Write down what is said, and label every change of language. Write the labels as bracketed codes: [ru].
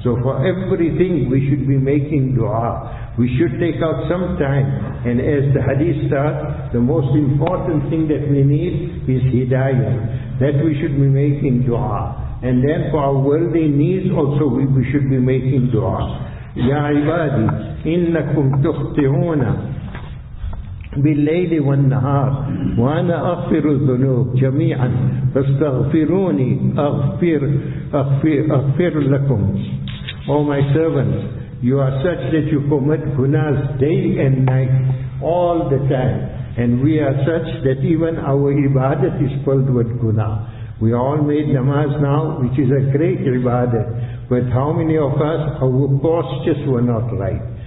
[en] So for everything we should be making dua. We should take out some time. And as the hadith starts, the most important thing that we need is hidayah. That we should be making dua. And then for our worldly needs also we should be making dua. [ar] Ya ibadi, innakum tukhti'una بِاللَّيْلِ وَالنَّهَارِ وَأَنَا أَغْفِرُ الذُّنُوبَ جَمِيعًا فَاسْتَغْفِرُونِي أَغْفِرُ لَكُمْ. [en] Oh my servants, you are such that you commit gunas day and night, all the time. And we are such that even our ibadat is filled with guna. We all made namaz now, which is a great ibadat. But how many of us, our postures were not right.